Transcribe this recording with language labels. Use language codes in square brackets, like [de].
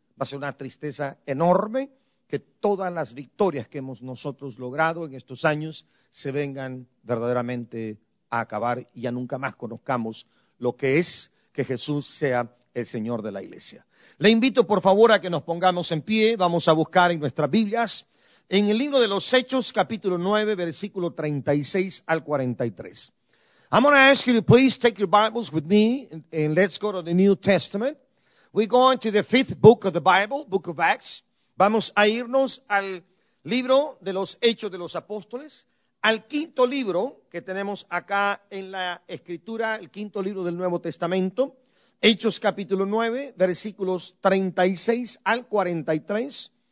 [es] Va a ser una tristeza enorme que todas las victorias que hemos nosotros logrado en estos años se vengan verdaderamente a acabar y ya nunca más conozcamos lo que es que Jesús sea el Señor de la iglesia. Le invito por favor a que nos pongamos en pie, vamos a buscar en nuestras Biblias, en el libro de los Hechos, capítulo 9, versículo 36 al 43. [en] I'm going to ask you to please take your Bibles with me and let's go to the New Testament. We're going to the 5th book of the Bible, book of Acts. [es] Vamos a irnos al libro de los Hechos de los Apóstoles, al quinto libro que tenemos acá en la Escritura, el quinto libro del Nuevo Testamento, Hechos capítulo 9, versículos 36 al 43.